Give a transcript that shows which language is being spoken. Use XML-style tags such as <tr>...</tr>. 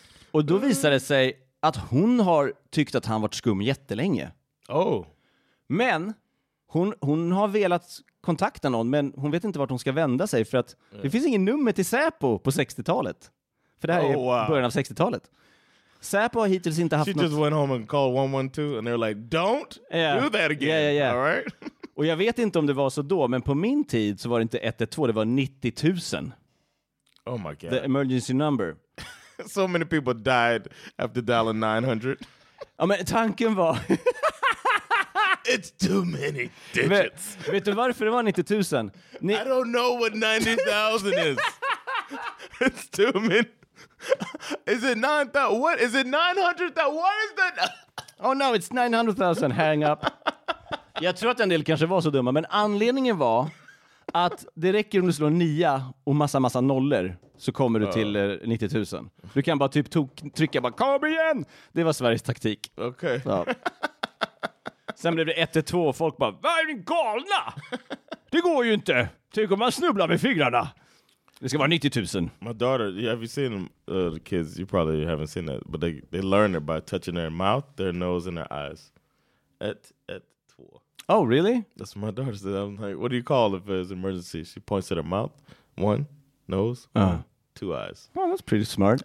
<sv>Och då visade det sig att hon har tyckt att han varit skum jättelänge.</sv> <en>Oh.</en> <sv>Men hon har velat kontakta någon, men hon vet inte vart hon ska vända sig. För att det finns ingen nummer till Säpo på 60-talet. För det här är början av 60-talet. Säpo har hittills inte haft något...</sv> <en>She just went home and called 112 and they're like, don't do that again. Yeah, yeah, yeah. All right?</en> <sv>Och jag vet inte om det var så då, men på min tid så var det inte 112, det var 90,000.</sv> <en>Oh my god. The emergency number. So many people died after dialing 900.</en> <sv>Ja, men tanken var...</sv> <en>It's too many digits.</en> <sv>Men, vet du varför det var 90,000?</sv> <en>Ni... I don't know what 90,000 is. It's too many. Is it 9,000? What? Is it 900,000? What is that? Oh no, it's 900,000. Hang up.</en> <sv>Jag tror att en del kanske var så dumma, men anledningen var... Att det räcker om du slår 9 och massa nollor så kommer du till 90 000. Du kan bara typ trycka bara, kom igen! Det var Sveriges taktik. Okej.</sv> <en>Okay. Ja.</en> <sv>Sen blev det 1-2 och folk bara, vad är ni galna? Det går ju inte. Tänk om man snubblar med fingrarna. Det ska vara 90 000.</sv> <en>My daughter, have you seen the kids? You probably haven't seen that. But they learn it by touching their mouth, their nose and their eyes. 1-1-2. Oh, really? That's what my daughter said. I'm like, what do you call if it's an emergency? She points at her mouth. One, nose, two eyes. Well, that's pretty smart.</en>